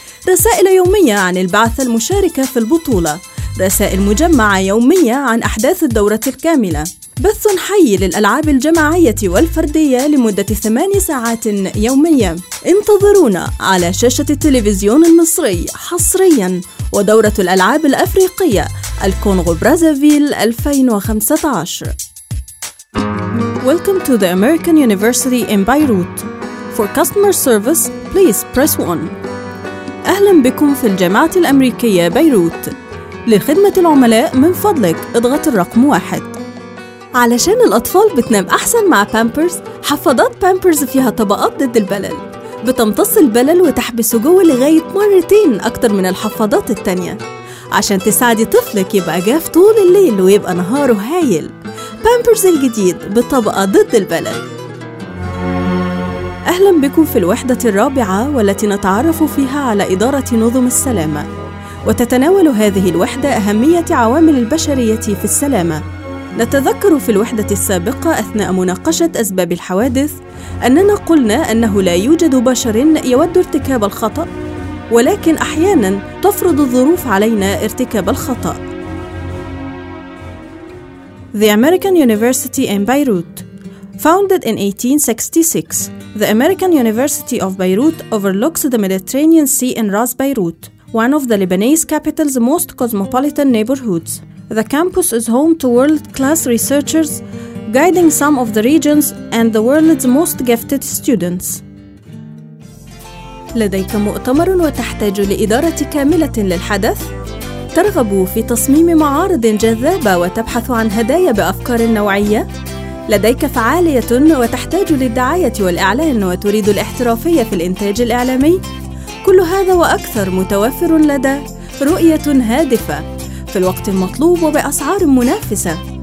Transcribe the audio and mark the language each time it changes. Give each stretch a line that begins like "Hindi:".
Arabic: رسائل يومية عن البعثة المشاركة في البطولة، رسائل مجمعة يومية عن أحداث الدورة الكاملة، بث حي للألعاب الجماعية والفردية لمدة 8 ساعات يومية. انتظرونا على شاشة التلفزيون المصري حصرياً. ودورة الألعاب الأفريقية الكونغو برازافيل 2015.
English: Welcome to the American University in Beirut. For customer service, please press 1.
Arabic: أهلا بكم في الجامعة الأمريكية بيروت. لخدمة العملاء من فضلك اضغط الرقم 1. علشان الأطفال بتنام أحسن مع بامبرز، حفاضات بامبرز فيها طبقات ضد البلل، بتمتص البلل وتحبسه جوه لغاية 2 مرات أكتر من الحفاضات التانية. عشان تساعدي طفلك يبقى جاف طول الليل ويبقى نهاره هايل، بامبرز الجديد بطبقة ضد البلل. أهلا بكم في الوحدة 4 والتي نتعرف فيها على إدارة نظم السلامة. وتتناول هذه الوحدة أهمية عوامل البشرية في السلامة. نتذكر في الوحدة السابقة أثناء مناقشة أسباب الحوادث أننا قلنا أنه لا يوجد بشر يود ارتكاب الخطأ، ولكن أحياناً تفرض الظروف علينا ارتكاب الخطأ.
English: The American University in Beirut, founded in 1866, the American University of Beirut overlooks the Mediterranean Sea in Ras Beirut, one of the Lebanese capital's most cosmopolitan neighborhoods. The campus is home to world-class researchers guiding some of the regions and the world's most gifted students.
Arabic: لديك مؤتمر وتحتاج لإدارة كاملة للحدث؟ ترغب في تصميم معارض جذابة وتبحث عن هدايا بأفكار نوعية؟ لديك فعالية وتحتاج للدعاية والإعلان وتريد الاحترافية في الإنتاج الإعلامي؟ كل هذا وأكثر متوفر لدى رؤية هادفة في الوقت المطلوب وبأسعار منافسة.